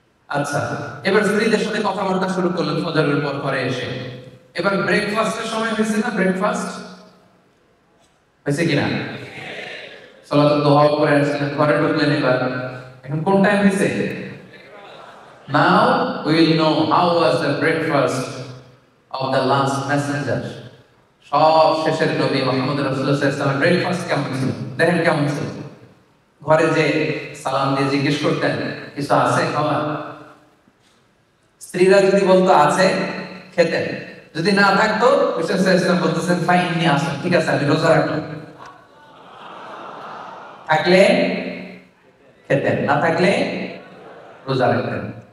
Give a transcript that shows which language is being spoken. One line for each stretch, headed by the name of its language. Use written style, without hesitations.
Bangla: আচ্ছা এবার স্ত্রীদের সাথে কথাবার্তা শুরু করলেন ফজরের পর ঘরে এসে, এবার ব্রেকফাস্টের সময় হয়েছে না? ব্রেকফাস্ট হয়েছে কিনা? সালাত দোহা করে আসলেন, ঘরে ঢুকলেন, এবার এখন কোন টাইম হয়েছে?
English: Now we will know how was the breakfast of the last messenger.
Bangla: সব শেষের নবী মুহাম্মদ রাসূলুল্লাহ সাল্লাল্লাহু আলাইহি ওয়া সাল্লাম ব্রেকফাস্ট কেমন ছিল? দেখেন কেমন ছিল। ঘরে যে সালাম দিয়ে জিজ্ঞেস করতেন কিছু আছে খাবার, স্ত্রীরা যদি বলতো আছে খেতেন, যদি না থাকতো রাসূল সাল্লাল্লাহু আলাইহি ওয়া সাল্লাম বলতেন ফাইন নিয়ে আসুন, ঠিক আছে আমি রোজা রাখলাম, থাকলে খেতেন, না থাকলে রোজা রাখতেন।